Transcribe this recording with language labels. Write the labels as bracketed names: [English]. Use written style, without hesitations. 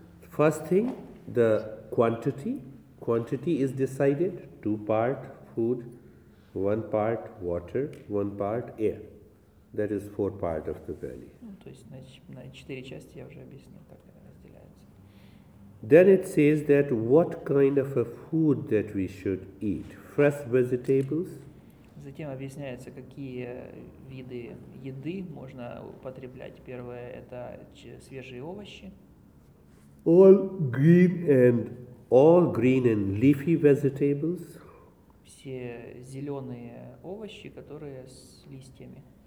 [English] First thing, the quantity. Quantity is decided. Two part food, one part water, one part air. That is four part of the belly. [Russian] Ну, то есть на четыре части я уже объяснил, как это разделяется. [English] Then it says that what kind of a food that we should eat. fresh vegetables. [Russian] Затем объясняется, какие виды еды можно употреблять. Первое – это свежие овощи. [English] All green and leafy vegetables. [Russian] Все зеленые овощи, которые с листьями.